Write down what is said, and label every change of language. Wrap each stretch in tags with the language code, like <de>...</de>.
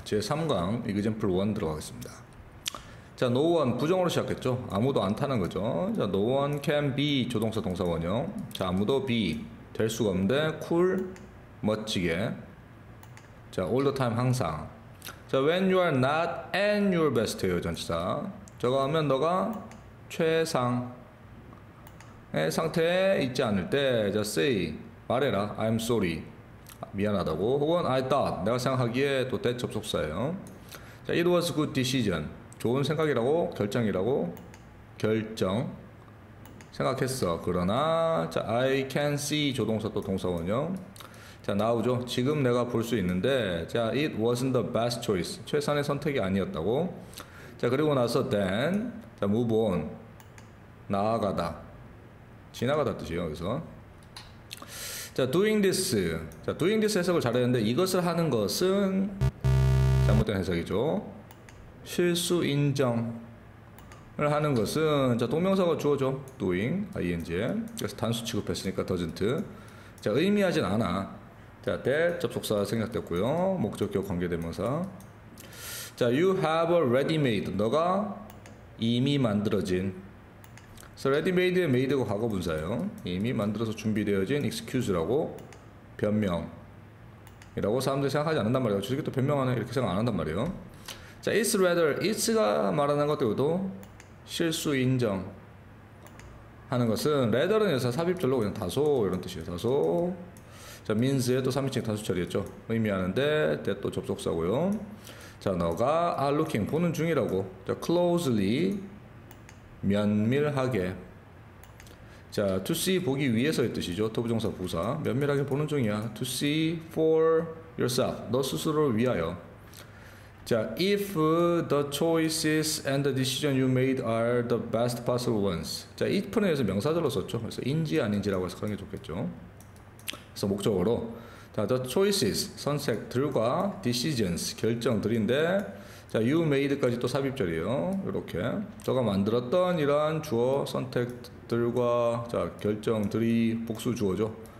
<ko>제 3강 example 1 들어가겠습니다. 자, no one 부정으로 시작했죠. 아무도 안 타는 거죠. 자,</ko> <en>no one can be</en> <ko>조동사 동사 원형. 자, 아무도 be 될 수가 없는데 cool 멋지게. 자, all the time 항상. 자,</ko> <en>when you are not at your best</en> <ko>예요 전치사. 저거 하면 너가 최상의 상태에 있지 않을 때. 자, say 말해라.</ko> <en>I'm sorry</en> <ko>미안하다고. 혹은</ko> <en>I thought</en> <ko>내가 생각하기에 또 대 접속사예요. 자,</ko> <en>it was a good decision</en> <ko>좋은 생각이라고 결정이라고 결정 생각했어. 그러나 자,</ko> <en>I can see</en> <ko>조동사 또 동사원요. 자, now죠. 지금 내가 볼 수 있는데.</ko> <en>자, it wasn't the best choice</en> <ko>최선의 선택이 아니었다고. 자, 그리고 나서 then 자,</ko> <en>move on</en> <ko>나아가다 지나가다 뜻이에요 여기서. 자,</ko> <en>doing this</en> <ko>자, doing this 해석을 잘했는데 이것을 하는 것은 잘못된 해석이죠. 실수 인정을 하는 것은 자, 동명사가 주어져 doing ing 그래서 단수 취급했으니까 doesn't. 자, 의미하진 않아. 자, that 접속사 생략됐고요. 목적격 관계대명사.</ko> <en>자, you have a ready made</en> <ko>너가 이미 만들어진. So ready made의 made가 과거 분사예요. 이미 만들어서 준비되어진 excuse라고 변명이라고 사람들이 생각하지 않는단 말이에요. 주식이 또 변명하네 이렇게 생각 안 한단 말이에요. 자, it's rather, it's가 말하는 것들도 실수 인정 하는 것은 rather는 여기서 삽입절로 그냥 다소 이런 뜻이에요. 다소. 자, means의 또 3인칭 다수 처리였죠. 의미하는데 that 또 접속사고요. 자, 너가</ko> <en>are looking</en> <ko>보는 중이라고. 자, closely 면밀하게. 자, to see 보기 위해서의 뜻이죠. 토부정사 부사 면밀하게 보는 중이야.</ko> <en>To see for yourself</en> <ko>너 스스로를 위하여.</ko> <en>자, if the choices and the decision you made are the best possible ones.</en> <ko>자, if는 여기서 명사절로 썼죠. 그래서 인지 아닌지라고 해서 그런 게 좋겠죠. 그래서 목적으로. 자, the choices 선택들과 decisions 결정들인데 자,</ko> <en>you made</en> <ko>까지 또 삽입절이에요. 이렇게 저가 만들었던 이러한 주어 선택들과 자, 결정들이 복수 주어죠.</ko>